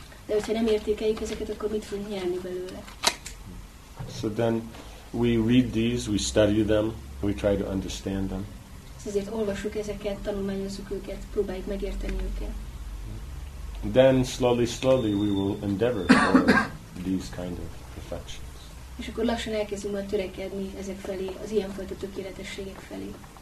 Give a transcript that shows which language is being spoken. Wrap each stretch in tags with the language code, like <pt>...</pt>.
<hu>De hogyha nem értékeljük ezeket, akkor mit fogunk nyerni belőle?</hu> <en>So then we read these, we study them, we try to understand them.</en> <hu>Ezért olvassuk ezeket, tanulmányozzuk őket, próbáljuk megérteni őket.</hu> <en>Then slowly we will endeavor for these kind of perfections.</en> <hu>És akkor lassan elkezdünk majd törekedni ezek felé, az ilyenfajta tökéletességek felé.</hu>